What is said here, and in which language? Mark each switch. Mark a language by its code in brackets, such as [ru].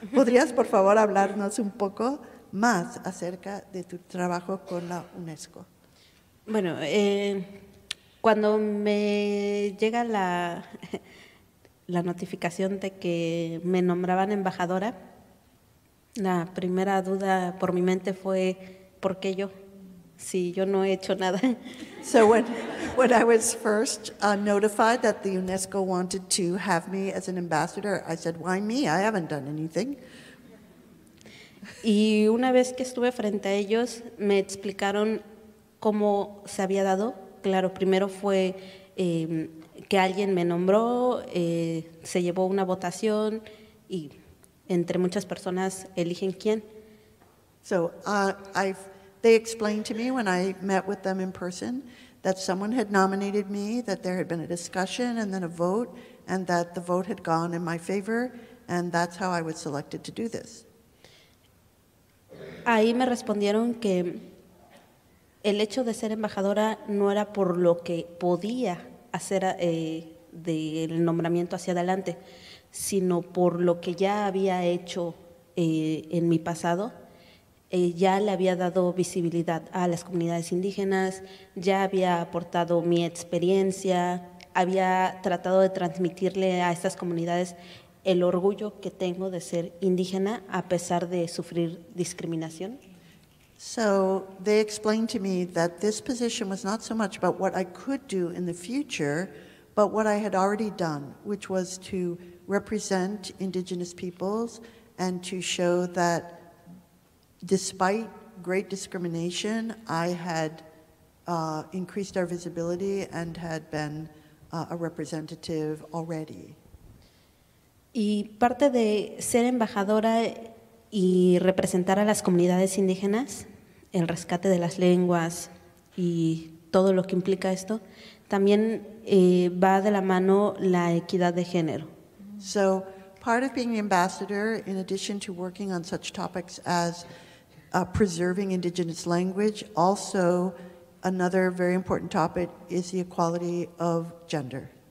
[es] ¿Podrías, por favor, hablarnos un poco más acerca de tu trabajo con la UNESCO? Bueno, cuando me llega la notificación de que me nombraban embajadora, la primera duda por mi mente fue, ¿por qué yo? Si yo no he hecho nada. [en] So when I was first notified that the UNESCO wanted to have me as an ambassador, I said, why me? I haven't done anything. [es] Y una vez que estuve frente a ellos, me explicaron cómo se había dado. Claro, primero fue que alguien me nombró, se llevó una votación y entre muchas personas eligen quién. [en] So they explained to me when I met with them in person that someone had nominated me, that there had been a discussion and then a vote, and that the vote had gone in my favor, and that's how I was selected to do this. [es] Ahí me respondieron que el hecho de ser embajadora no era por lo que podía hacer del nombramiento hacia adelante, sino por lo que ya había hecho en mi pasado. Ya le había dado visibilidad a las comunidades indígenas, ya había aportado mi experiencia, había tratado de transmitirle a estas comunidades el orgullo que tengo de ser indígena a pesar de sufrir discriminación. [en] So they explained to me that this position was not so much about what I could do in the future, but what I had already done, which was to represent indigenous peoples and to show that despite great discrimination, I had increased our visibility and had been a representative already. [es] Y parte de ser embajadora y representar a las comunidades indígenas, el rescate de las lenguas y todo lo que implica esto, también va de la mano la equidad de género. [en] So, part of being the ambassador, in addition to working on such topics as preserving indigenous language, also another very important topic is the equality of gender.